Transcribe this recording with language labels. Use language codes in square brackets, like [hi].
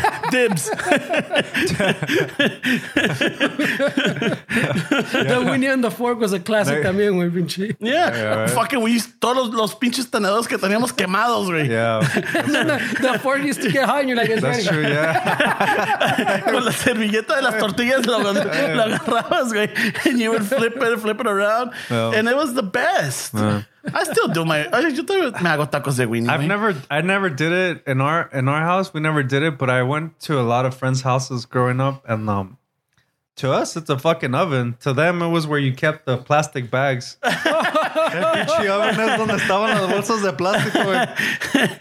[en] Dibs. Yeah. The Winnie and the fork was a classic también, güey, pinche. [es] Yeah. Right. Fucking, we used todos los pinches tenedores que teníamos quemados, güey. [en] Yeah. The fork used to get hot and you're like, that's ready. True, yeah. [es] Con la servilleta de las tortillas lo agarrabas, güey. [en] And you would flip it around. Yeah. And it was the best. Yeah. I still do my. I never did it in our house. We never did it, but I went to a lot of friends' houses growing up, and to us, it's a fucking oven. To them, it was where you kept the plastic bags. [es] Pinche oven es donde estaban las bolsas de plástico, güey.